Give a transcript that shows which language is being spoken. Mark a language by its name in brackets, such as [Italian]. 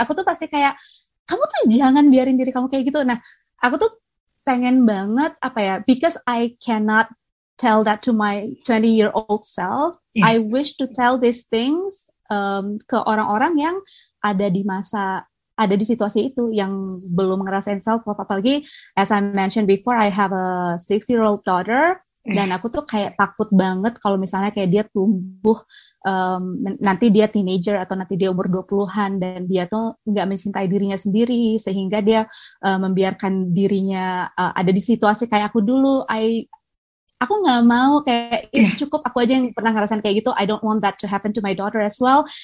[Indonesian] Aku tuh pasti kayak, kamu tuh jangan biarin diri kamu kayak gitu. Nah, aku tuh pengen banget apa ya, [English] because I cannot tell that to my 20-year-old self. Yeah. I wish to tell these things [Indonesian] ke orang-orang yang ada di situasi itu, yang belum ngerasain self-love. [English] Apalagi, as I mentioned before, I have a 6-year-old daughter. [Indonesian] Dan aku tuh kayak takut banget kalau misalnya kayak dia tumbuh, nanti dia teenager atau nanti dia umur 20-an, dan dia tuh gak mencintai dirinya sendiri, sehingga dia membiarkan dirinya ada di situasi kayak aku dulu. Aku gak mau kayak, cukup aku aja yang pernah ngerasain kayak gitu. [English] I don't want that to happen to my daughter as well.